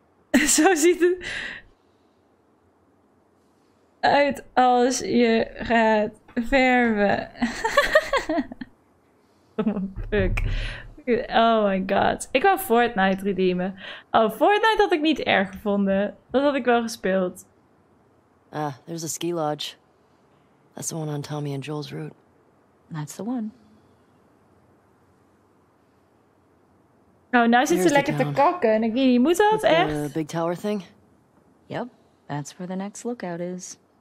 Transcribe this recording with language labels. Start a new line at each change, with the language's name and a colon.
Dutch: Zo ziet het uit als je gaat verven. Fuck.
English: Oh my god.
Dutch: Ik wou Fortnite redeemen. Oh, Fortnite had ik niet erg gevonden. Dat had ik wel gespeeld.
English: Ah, there's a ski lodge. That's the one on Tommy and Joel's route. That's the one.
Dutch: Oh, nou zit ze lekker te kakken. Ik weet niet, moet dat echt?
English: The big tower thing? Yep, that's where the next lookout is.